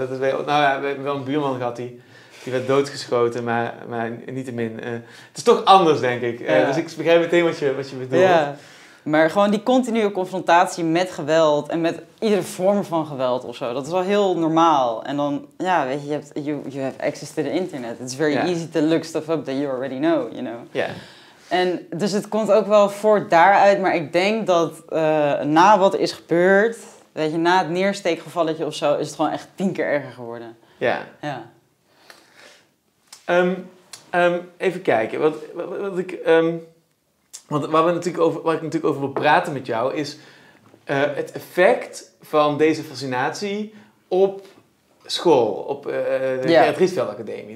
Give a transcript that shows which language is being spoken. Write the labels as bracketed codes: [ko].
[nl] Dat is wel, nou ja, we hebben wel een buurman gehad die werd doodgeschoten, maar niettemin. Het is toch anders, denk ik. Dus ik begrijp meteen wat je bedoelt. Ja. Maar gewoon die continue confrontatie met geweld en met iedere vorm van geweld of zo, dat is wel heel normaal. En dan, ja, weet je, [en] you have access to the internet. It's very easy to look stuff up that you already know, you know. [nl] Ja. Yeah. En dus het komt ook wel voort daaruit, maar ik denk dat na wat is gebeurd, weet je, na het neersteekgevalletje of zo, is het gewoon echt 10 keer erger geworden. Ja. Ja. Even kijken. Waar ik natuurlijk over wil praten met jou is het effect van deze fascinatie op school, op de Gerrit Rietveld Academie.